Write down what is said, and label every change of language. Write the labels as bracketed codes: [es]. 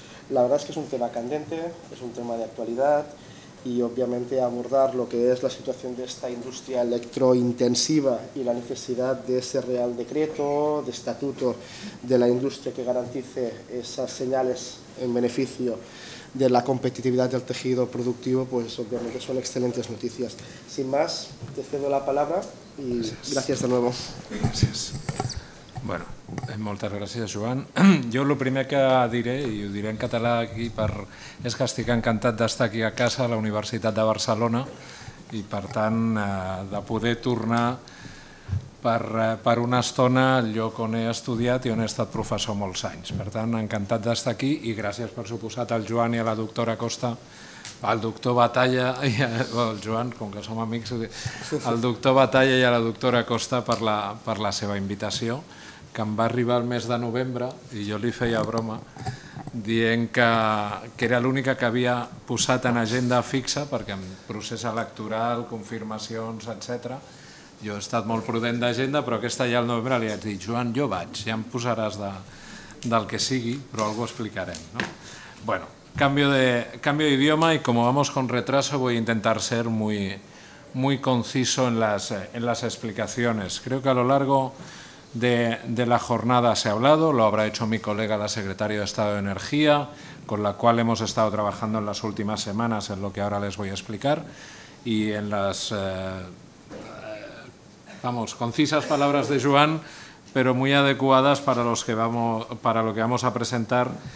[es] La verdad es que es un tema candente, es un tema de actualidad y obviamente abordar lo que es la situación de esta industria electrointensiva y la necesidad de ese real decreto, de estatuto de la industria que garantice esas señales en beneficio de la competitividad del tejido productivo, pues obviamente son excelentes noticias. Sin más, te cedo la palabra y gracias de nuevo. Gracias. [ca] Bueno, moltes gràcies, Joan. Jo el primer que diré, i ho diré en català aquí, és que estic encantat d'estar aquí a casa, a la Universitat de Barcelona, i per tant de poder tornar per una estona al lloc on he estudiat i on he estat professor molts anys. Per tant, encantat d'estar aquí i gràcies per suposat al Joan i a la doctora Costa, al doctor Batalla, al Joan, com que som amics, al doctor Batalla i a la doctora Costa per la seva invitació, que em va arribar el mes de novembre i jo li feia broma dient que era l'única que havia posat en agenda fixa perquè en procés electoral, confirmacions, etc. Jo he estat molt prudent d'agenda, però aquesta ja al novembre li vaig dir: Joan, jo vaig, ja em posaràs del que sigui, però algo explicarem. Bé, canvio d'idioma i com [es] vamos con retraso voy a intentar ser muy conciso en las explicaciones. Creo que a lo largo de la jornada se ha hablado, lo habrá hecho mi colega la secretaria de Estado de Energía, con la cual hemos estado trabajando en las últimas semanas, en lo que ahora les voy a explicar, y en las concisas palabras de Joan, pero muy adecuadas para lo que vamos a presentar.